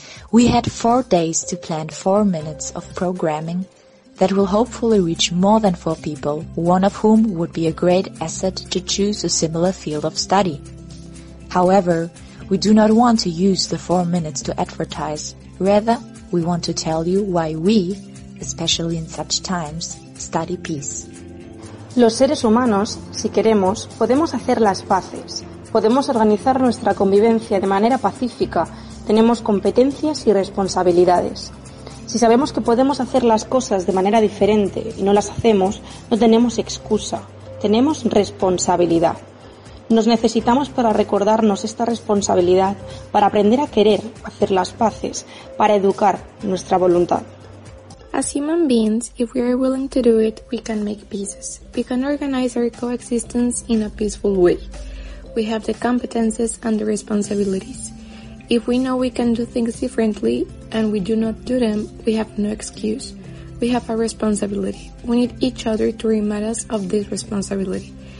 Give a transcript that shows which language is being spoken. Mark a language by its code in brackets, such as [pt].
[en] We had 4 days to plan 4 minutes of programming that will hopefully reach more than 4 people, one of whom would be a great asset to choose a similar field of study. However, we do not want to use the 4 minutes to advertise, rather, we want to tell you why we, especially in such times, study peace. [es] Los seres humanos, si queremos, podemos hacer las paces. Podemos organizar nuestra convivencia de manera pacífica. Tenemos competencias y responsabilidades. Si sabemos que podemos hacer las cosas de manera diferente y no las hacemos, no tenemos excusa. Tenemos responsabilidad. Nos necesitamos para recordarnos esta responsabilidad, para aprender a querer hacer las paces, para educar nuestra voluntad. [en] As human beings, if we are willing to do it, we can make peaces. We can organize our coexistence in a peaceful way. We have the competences and the responsibilities. If we know we can do things differently and we do not do them, we have no excuse. We have a responsibility. We need each other to remind us of this responsibility.